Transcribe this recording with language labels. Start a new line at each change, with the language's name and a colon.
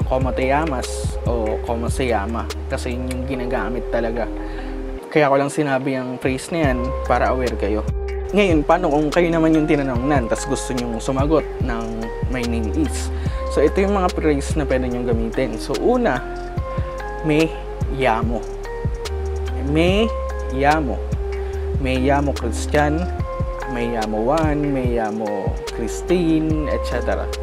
Spanish: Como te llamas o como se llama.
Filipino: Kasi yun yung ginagamit talaga. Kaya ko lang sinabi ang phrase na yan para aware kayo. Ngayon, paano kung kayo naman yung tinanong nan tapos gusto nyong sumagot ng
English: my name is?
Filipino: So, ito yung mga phrase na pwede nyong gamitin. So, una,
Spanish: me llamo. Me llamo. Me llamo Christian. May yamo Juan, may yamo Christine, etc.